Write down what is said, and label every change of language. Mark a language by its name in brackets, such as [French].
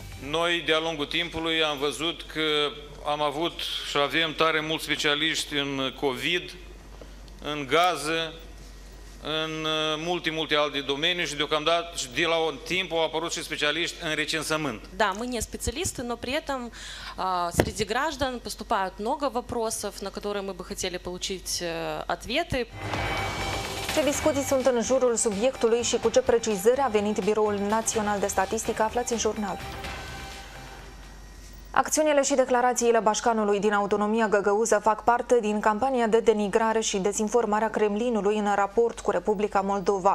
[Romanian] Noi, de-a lungul timpului, am văzut că am avut și avem tare mulți specialiști în COVID, în gaze, în multe alte domenii și deocamdată și de la un timp au apărut și specialiști în recensământ. [Russian] Da, мы не специалисты, но при этом среди граждан поступают много вопросов, на которые мы бы хотели получить ответы. [Romanian] Ce discuții sunt în jurul subiectului și cu ce precizări a venit Biroul Național de Statistică, aflați în jurnal. Acțiunile și declarațiile Bașcanului din autonomia găgăuză fac parte din campania de denigrare și dezinformare a Kremlinului în raport cu Republica Moldova.